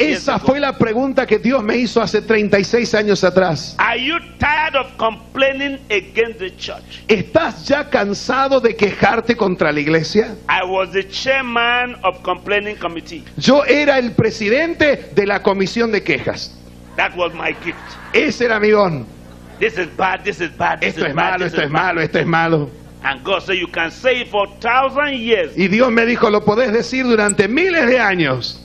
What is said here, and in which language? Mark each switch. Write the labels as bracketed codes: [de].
[en] years ago. [es] Esa fue la pregunta que Dios me hizo hace 36 años atrás. [en] Are you tired of complaining against the church? [es] ¿Estás ya cansado de quejarte contra la iglesia? [en] I was the chairman of complaining committee. [es] Yo era el presidente de la comisión de quejas. [en] That was my gift. [es] Ese era mi don. [en] This is bad, this is bad, this [es] esto [en] is bad. [es] Esto es malo, esto es malo, esto es malo. [en] And God said, you can say it for 1,000 years. [es] Y Dios me dijo, lo podés decir durante miles de años.